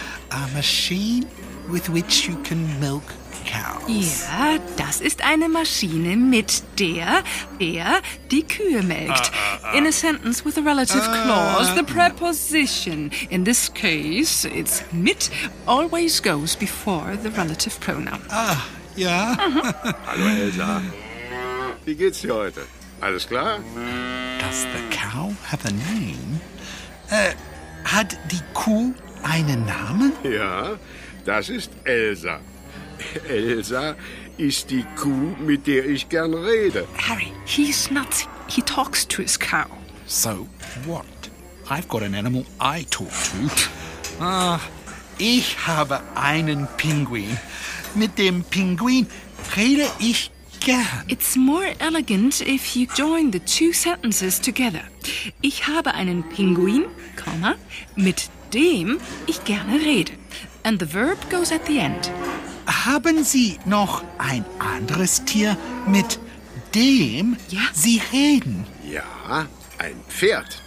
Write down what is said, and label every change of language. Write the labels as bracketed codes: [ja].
[en] A machine with which you can milk cows. [de] Ja, das ist eine Maschine, mit der er die Kühe melkt. [en] In a sentence with a relative clause, the preposition. In this case, it's mit always goes before the relative pronoun. [de] Ah, ja. Hallo Elsa. Wie geht's dir heute? Alles klar? [en] Does the cow have a name? [de] Hat die Kuh einen Namen? Ja, das ist Elsa. Elsa ist die Kuh, mit der ich gern rede. [en] Harry, he's nuts. He talks to his cow. So what? I've got an animal I talk to. [de] Ich habe einen Pinguin. Mit dem Pinguin rede ich gern. [en] It's more elegant if you join the two sentences together. [de] Ich habe einen Pinguin, mit dem ich gerne rede. [en] And the verb goes at the end. [de] Haben Sie noch ein anderes Tier, mit dem Sie reden? Ja, ein Pferd.